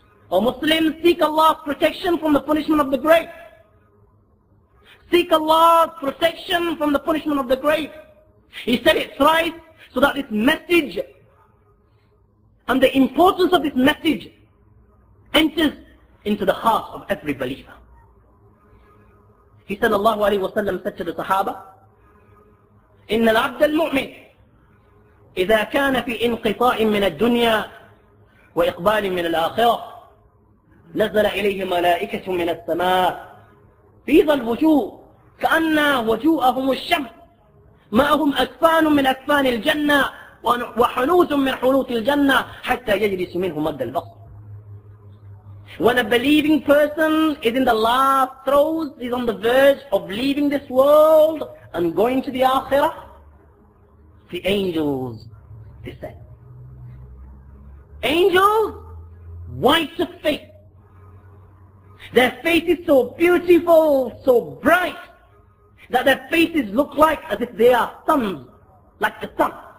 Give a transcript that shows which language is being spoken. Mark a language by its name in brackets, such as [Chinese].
[English] O Muslims, seek Allah's protection from the punishment of the grave. Seek Allah's protection from the punishment of the grave. He said it thrice so that this message and the importance of this message enters into the heart of every believer. He said, [Arabic] الله عليه وسلم [English] said to the Sahaba, [Arabic] إن العبد المؤمن إذا كان في انقطاع من الدنيا وإقبال من الآخرة نزل إليه ملائكة من السماء فيض الوجوه كأن وجوههم الشمس ماءهم أكفان من أكفان الجنة وحنوت من حنوت الجنة حتى يجلس منه مد البصر. [English] When a believing person is in the last throes, is on the verge of leaving this world and going to the Akhirah, the angels descend. Angels, white of face. Their faces so beautiful, so bright, that their faces look like as if they are suns, like the sun.